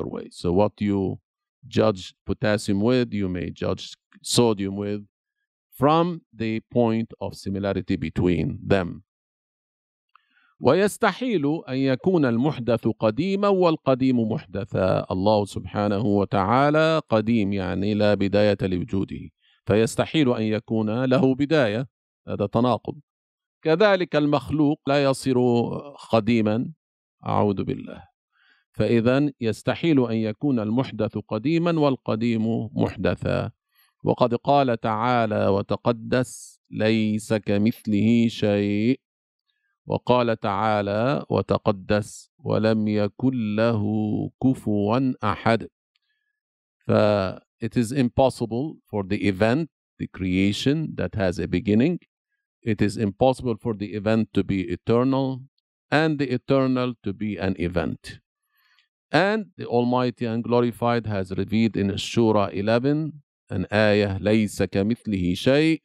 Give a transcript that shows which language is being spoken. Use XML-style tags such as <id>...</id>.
<en>So what you judge potassium with, you may judge sodium with from the point of similarity between them.</en> <ar>ويستحيل أن يكون المحدث قديما والقديم محدثا. الله سبحانه وتعالى قديم يعني لا بداية لوجوده. فيستحيل أن يكون له بداية. هذا تناقض. كذلك المخلوق لا يصير قديما، أعوذ بالله. فإذا يستحيل أن يكون المحدث قديما والقديم محدثا. وقد قال تعالى وتقدس ليس كمثله شيء، وقال تعالى وتقدس ولم يكن له كفوا أحد.</ar> <en>فIt is impossible for the event, the creation that has a beginning. It is impossible for the event to be eternal and the eternal to be an event. And the Almighty and Glorified has revealed in Shura 11 an ayah,</en> <ar>لَيْسَ كَمِثْلِهِ شَيْءٍ.</ar>